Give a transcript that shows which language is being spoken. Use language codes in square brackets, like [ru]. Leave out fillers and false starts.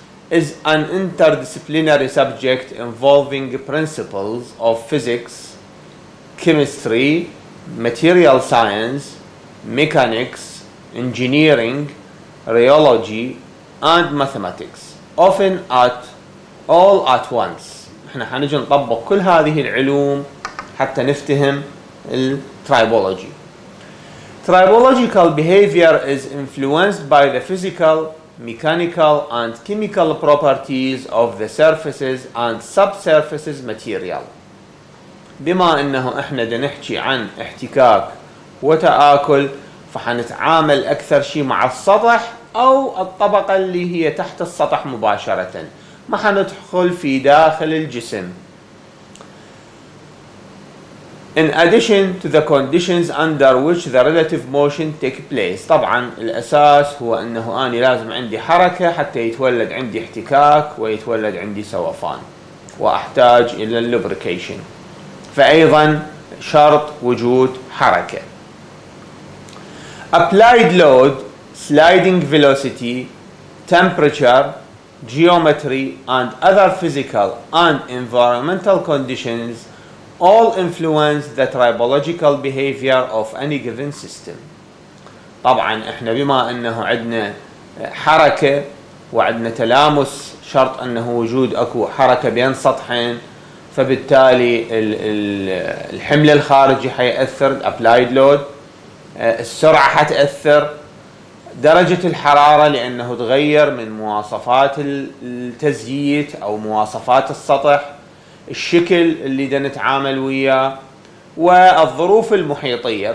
[en] is an interdisciplinary subject involving principles of physics, chemistry, material science, mechanics, engineering, rheology and mathematics, often at all at once. [ar] احنا حنجي نطبق كل هذه العلوم حتى نفتهم الترايبولوجي. [en] tribological behavior is influenced by the physical, mechanical and chemical properties of the surfaces and subsurfaces material. [ar] بما انه احنا بدنا نحكي عن احتكاك وتآكل فحنتعامل اكثر شيء مع السطح او الطبقة اللي هي تحت السطح مباشرة، ما حندخل في داخل الجسم. [en] In addition to the conditions under which the relative motion take place. [ar] طبعا الاساس هو انه انا لازم عندي حركة حتى يتولد عندي احتكاك ويتولد عندي سوفان واحتاج الى اللوبريكيشن، فايضا شرط وجود حركة. [en] Applied load, sliding velocity, temperature, geometry and other physical and environmental conditions all influence the tribological behavior of any given system. [ar] طبعا احنا بما انه عندنا حركة وعندنا تلامس، شرط انه وجود اكو حركة بين سطحين، فبالتالي الحمل الخارجي حيأثر، applied load، السرعة حتأثر، درجة الحرارة لأنه تغير من مواصفات التزييت أو مواصفات السطح، الشكل اللي دا نتعامل وياه، والظروف المحيطية.